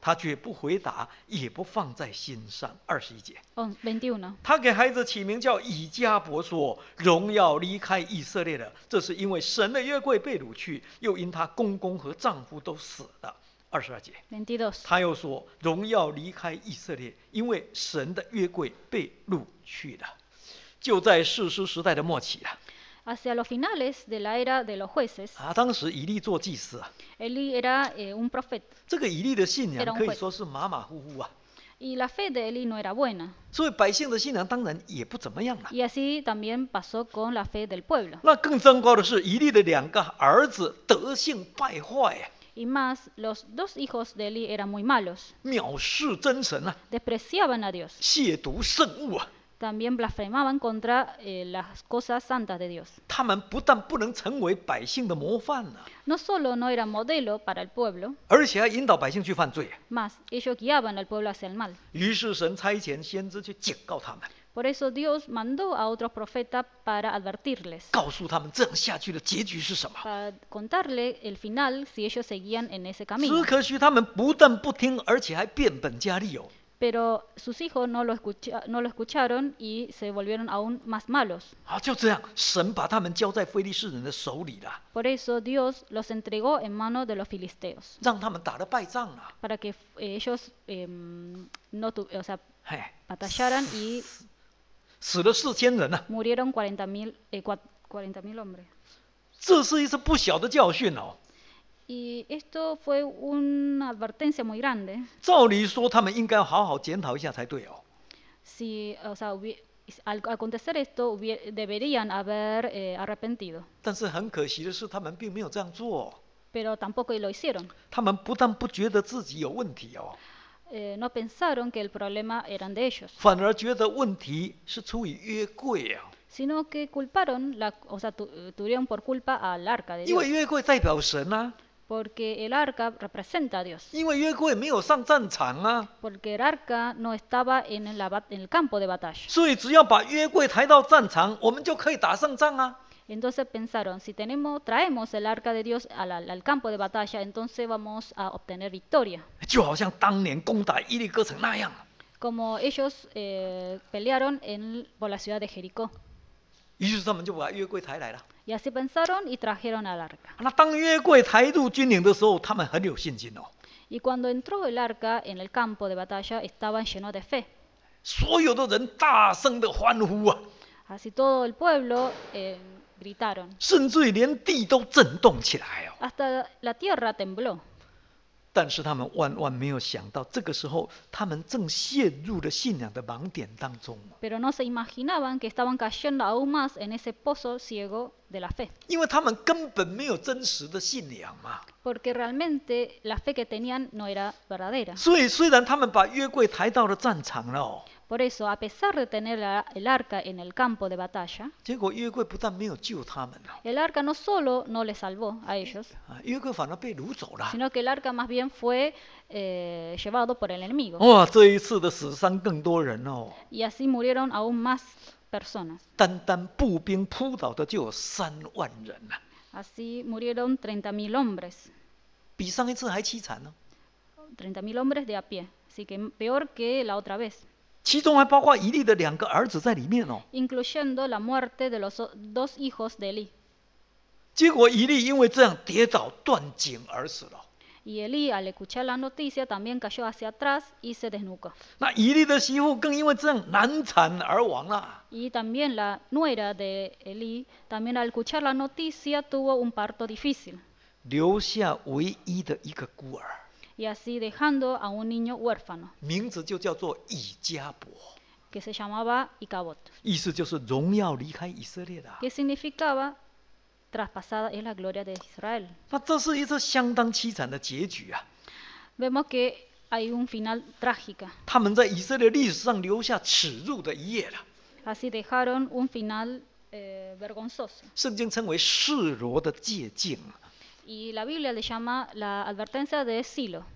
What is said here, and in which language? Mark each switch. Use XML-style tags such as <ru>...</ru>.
<zh>她却不回答，也不放在心上。21节，她给孩子起名叫以加伯，说：“荣耀离开以色列了。” 这是因为神的约柜被掳去，又因她公公和丈夫都死了。 22节，他又说：“荣耀离开以色列，因为神的约柜被掳去了。” 就在士师时代的末期啊。</zh> <es>Hacia los finales de la era de los jueces.</es> <zh>啊，当时以利做祭司啊。</zh> <es>Eli era un profeta.</es> <zh>这个以利的信仰可以说是马马虎虎啊。</zh> <es>Y la fe de Eli no era buena.</es> <zh>所以百姓的信仰当然也不怎么样了。</zh> <es>Y así también pasó con la fe del pueblo.</es> <zh>那更糟糕的是，以利的两个儿子德性败坏。</zh> <es>Y más, los dos hijos de Eli eran muy malos.</es> <zh>藐视真神啊。</zh> <es>Despreciaban a Dios.</es> <zh>亵渎圣物啊。</zh> <es>También blasfemaban contra las cosas santas de Dios.</es> <zh>他们不但不能成为百姓的模范啊。</zh> <es>No solo no eran modelo para el pueblo.</es> <zh>而且还引导百姓去犯罪。</zh> <es>Más, ellos guiaban al pueblo hacia el mal.</es> <zh>于是神差遣先知去警告他们。</zh> <es>Por eso Dios mandó a otros profetas para advertirles.</es> <zh>告诉他们这样下去的结局是什么。</zh> <es>Para contarle el final si ellos seguían en ese camino.</es> <zh>只可惜他们不但不听，而且还变本加厉哦。</zh> <es>Pero sus hijos no lo escucharon y se volvieron aún más malos.</es> <zh>啊，就这样，神把他们交在非利士人的手里了。</zh> <es>Por eso Dios los entregó en manos de los filisteos.</es> <zh>让他们打了败仗了。</zh> <es>Para que ellos no tu, o sea, batallaran y</es> <zh>死了4000人呢、啊。</zh> <es>Murieron 40,000 hombres.</es> <zh>这是一次不小的教训哦。</zh> <es>Y esto fue una advertencia muy grande.</es> <zh>照理说，他们应该好好检讨一下才对哦。</zh> <es>Si, o sea, al acontecer esto, deberían haber arrepentido.</es> <zh>但是很可惜的是，他们并没有这样做。</zh> <es>Pero tampoco lo hicieron.</es> <zh>他们不但不觉得自己有问题哦。</zh> <es>No pensaron que el problema eran de ellos.</es> <zh>反而觉得问题是出于约柜啊。</zh> <es>Sino que culparon, la, o sea, tuvieron por culpa al arca de Dios.</es> <zh>因为约柜代表神啊。</zh> <es>Porque el arca representa a Dios.</es> <zh>因为约柜没有上战场啊。</zh> <es>Porque el arca no estaba en el campo de batalla.</es> <zh>所以只要把约柜抬到战场，我们就可以打胜仗啊。</zh> <es>Entonces pensaron, si tenemos, traemos el arca de Dios al campo de batalla, entonces vamos a obtener victoria.</es> <zh>就好像当年攻打伊利哥城那样。</zh> <es>Como ellos pelearon por la ciudad de Jericó.</es> <zh>于是他们就把约柜抬来了。</zh> <es>Y así pensaron y trajeron al arca.</es> <zh>那当约柜抬入军营的时候，他们很有信心哦。</zh> <es>Y cuando entró el arca en el campo de batalla, estaban llenos de fe.</es> <zh>所有的人大声的欢呼啊。</zh> <es>Así todo el pueblo gritaron.</es> <zh>甚至连地都震动起来哦。</zh> <es>Hasta la tierra tembló.</es> <zh>但是他们万万没有想到，这个时候他们正陷入了信仰的盲点当中。</zh> <es>Pero no se imaginaban que estaban cayendo aún más en ese pozo ciego de la fe.</es> <zh>因为他们根本没有真实的信仰嘛。</zh> <es>Porque realmente la fe que tenían no era verdadera.</es> <zh>所以虽然他们把约柜抬到了战场了。</zh> <es>Por eso, a pesar de tener el arca en el campo de batalla,</es> <zh>结果约柜不但没有救他们啊。</zh> <es>El arca no solo no les salvó a ellos,</es> <zh>啊，约柜反而被掳走了。</zh> <es>Sino que el arca más bien fue llevado por el enemigo.</es> <zh>哇，这一次的死伤更多人哦。</zh> <es>Y así murieron aún más personas.</es> <zh>单单步兵扑倒的就有30,000人啊。</zh> <es>Así murieron 30,000 hombres.</es> <zh>比上一次还凄惨呢。</zh> <es>30,000 hombres de a pie, así que peor que la otra vez.</es> <zh>其中还包括以利的两个儿子在里面哦。</zh> <es>Incluyendo la muerte de los dos hijos de Eli.</es> <zh>结果以利因为这样跌倒断颈而死了。</zh> <es>Y Eli al escuchar la noticia también cayó hacia atrás y se desnucó.</es> <zh>那以利的媳妇更因为这样难产而亡了。</zh> <es>Y también la nuera de Eli también al escuchar la noticia tuvo un parto difícil.</es> <zh>留下唯一的一个孤儿。</zh> <es>Y así dejando a un niño huérfano.</es> <zh>名字就叫做以加伯。</zh> <es>Que se llamaba Icabod.</es> <zh>意思就是荣耀离开以色列的。</zh> <es>Que significaba traspasada es la gloria de Israel.</es> <zh>那这是一次相当凄惨的结局啊。</zh> <es>Vemos que hay un final trágico.</es> <zh>他们在以色列历史上留下耻辱的一页了。</zh> <es>Así dejaron un final vergonzoso.</es> <zh>圣经称为示罗的界境。</zh> <es>Y la Biblia le llama la advertencia de Silo.</es>